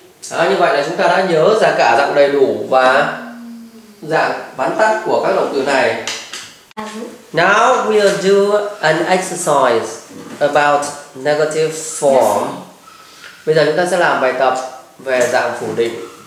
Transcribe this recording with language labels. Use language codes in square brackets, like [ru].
[vi] Như vậy là chúng ta đã nhớ ra cả dạng đầy đủ và dạng vắn tắt của các động từ này. [en] Now we'll do an exercise about negative form. [vi] Bây giờ chúng ta sẽ làm bài tập về dạng phủ định.